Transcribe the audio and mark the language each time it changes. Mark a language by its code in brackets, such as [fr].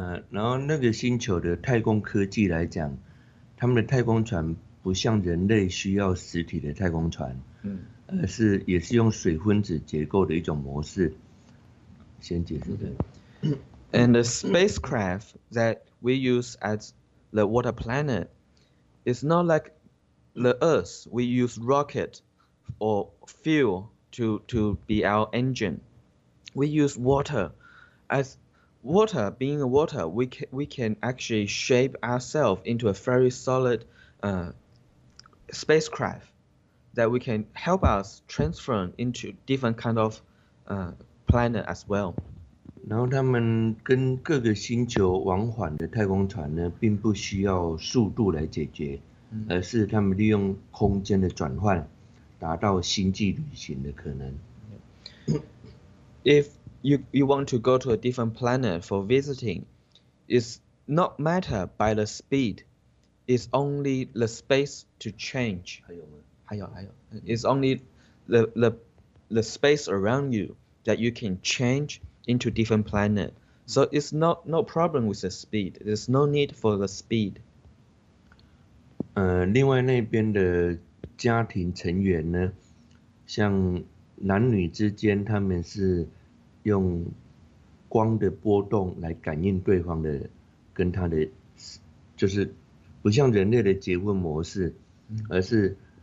[zh] 然后那个星球的太空科技来讲，他们的太空船不像人类需要实体的太空船。也是用水分子结构的一种模式。先解释的。 [en] And the spacecraft that we use as the water planet is not like the Earth. We use rocket or fuel to be our engine. We use water. As water, being water, we can actually shape ourselves into a very solid spacecraft. That we can help us transfer into different kind of planet as well. [zh] 然后他们跟各个星球往返的太空船呢，并不需要速度来解决，而是他们利用空间的转换，达到星际旅行的可能。 [en] If you want to go to a different planet for visiting, it's not matter by the speed, it's only the space to change. It's only the space around you that you can change into different planet. So it's not no problem with the speed. There's no need for the speed. [zh] 另外那边的家庭成员呢，像男女之间，他们是用光的波动来感应对方的，跟他的就是不像人类的结婚模式，而是。